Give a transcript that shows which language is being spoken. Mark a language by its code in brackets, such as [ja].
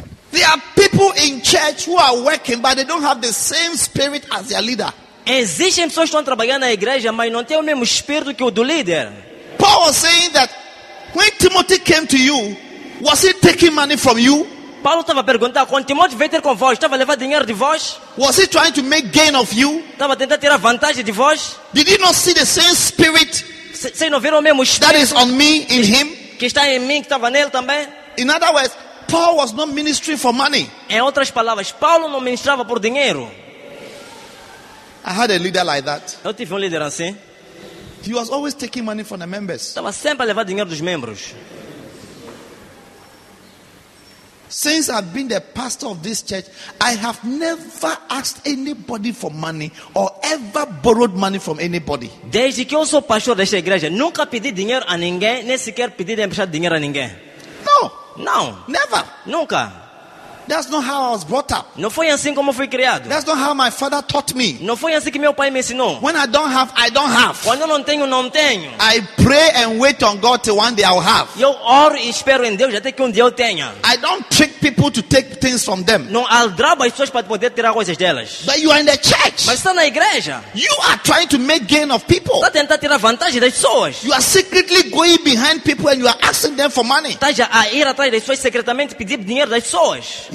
[en] There are people in church who are working, but they don't have the same spirit as their leader. [pt] Existem pessoas que estão trabalhando na igreja, mas não têm o mesmo espírito que o do líder. [en] Paul was saying that when Timothy came to you, was he taking money from you? [pt] Paulo estava perguntando, quando Timóteo veio ter com vós, estava a levar dinheiro de vós? [en] Was he trying to make gain of you? [pt] Estava tentando tirar vantagem de vós? [en] Did he not see the same spirit? [pt] Vocês não viram o mesmo espírito? [en] That is on me, in him. [pt] Que está em mim, que estava nele também. [en] In other words, Paul was not ministering for money. [pt] Em outras palavras, Paulo não ministrava por dinheiro. [en] I had a leader like that. [pt] Eu tive um líder assim. [en] He was always taking money from the members. [pt] Estava sempre a levar dinheiro dos membros. [en] Since I've been the pastor of this church, I have never asked anybody for money or ever borrowed money from anybody. [pt] Desde que eu sou pastor desta igreja, nunca pedi dinheiro a ninguém, nem sequer pedi de emprestar dinheiro a ninguém. [en] No. No. Never. [pt] Nunca. [en] That's not how I was brought up. [pt] Não foi assim como fui criado. [en] That's not how my father taught me. [pt] Não foi assim que meu pai me ensinou. [en] When I don't have, I don't have. [pt] Quando não tenho, não tenho. [en] I pray and wait on God till one day I'll have. [pt] Eu oro e espero em Deus até que um dia eu tenha. [en] I don't trick people to take things from them. [pt] Não aldrabo as pessoas para poder tirar coisas delas. [en] But you are in the church. [pt] Mas está na igreja. [en] You are trying to make gain of people. [pt] Está tentando tirar vantagem das pessoas. [en] You are secretly going behind people and you are asking them for money. [pt] Está já a ir atrás das pessoas secretamente pedir dinheiro das pessoas.